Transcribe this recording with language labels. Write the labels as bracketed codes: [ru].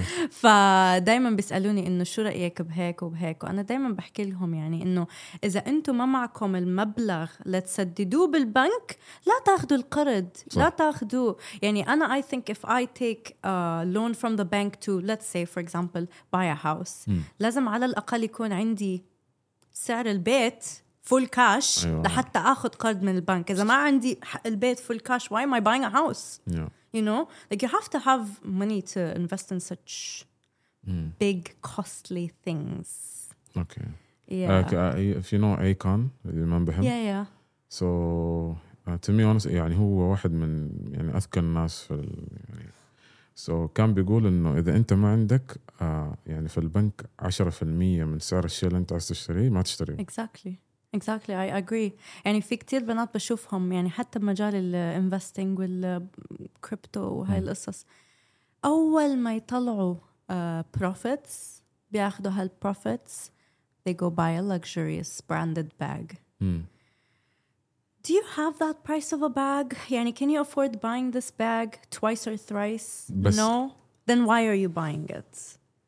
[ar] فدايما بيسألوني إنه شو رأيك بهيك وبهيك وأنا دايما بحكي لهم يعني إنه إذا أنتوا ما معكم المبلغ لتسددوه بالبنك لا تاخدوا القرض لا تاخدوا يعني أنا [en] I think if I take a loan from the bank to let's say for example buy a house [ar] لازم على الأقل يكون عندي سعر البيت فول كاش لحتى اخذ قرض من البنك اذا ما عندي البيت فول كاش [en] why am I buying a house yeah. you know like you have to have money to invest in such big costly things okay yeah if you know Akon remember him yeah yeah so to me honestly [ar] يعني هو واحد من يعني اذكى الناس في يعني so كان بيقول انه اذا انت ما عندك يعني في البنك 10% من سعر الشيء اللي انت عايز تشتريه ما تشتريه [en] Exactly, I agree. [ar] يعني في كتير بنات بشوفهم يعني حتى بمجال الانفستينج والكريبتو وهاي القصص أول ما يطلعوا profits بياخدوا هالprofits [en] they go buy a luxurious branded bag. Do you have that price of a bag? يعني can you afford buying this bag twice or thrice? No? Then why are you buying it?